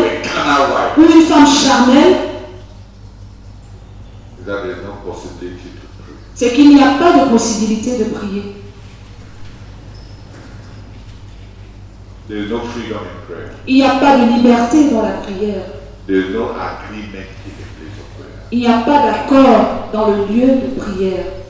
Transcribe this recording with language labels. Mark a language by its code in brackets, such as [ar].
[en] Or to a carnal wife. [fr] Ou une femme charnelle. [en] There is no possibility to pray. [fr] C'est qu'il n'y a pas de possibilité de prier. [en] There is no freedom in prayer. [fr] Il n'y a pas de liberté dans la prière. [en] There is no agreement in the place of prayer. [fr] Il n'y a pas d'accord dans le lieu de prière.